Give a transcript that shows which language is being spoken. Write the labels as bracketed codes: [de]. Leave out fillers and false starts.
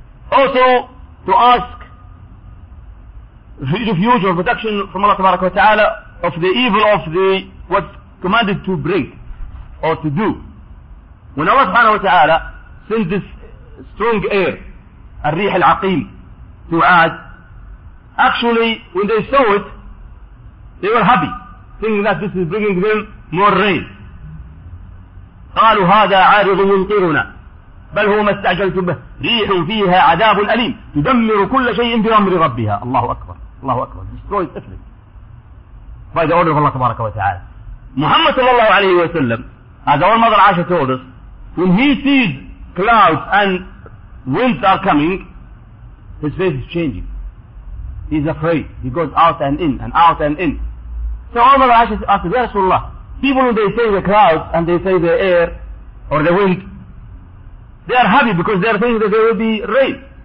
[en] Also, to ask refuge or protection from Allah Ta'ala of the evil of the what's commanded to bring or to do. When Allah subhanahu wa ta'ala sent this strong air, al-rih al-aqim, to Ad, actually, when they saw it, they were happy, thinking that this is bringing them more rain. [ar] قالوا هذا عارض ينقرنا بل هو ما استعجلت به ريح فيها عذاب أليم تدمر كل شيء بأمر ربها. الله أكبر الله أكبر. [en] Destroyed everything by the order of Allah تبارك وتعالى. Muhammad صلى الله عليه وسلم, as our mother Aisha told us, when he sees clouds and winds are coming, his face is changing. He's afraid. He goes out and in and out and in. So our mother Aisha asked, Ya Rasulullah, people, when they say the clouds and they say the air or the wind, they are happy because they are thinking that there will be rain.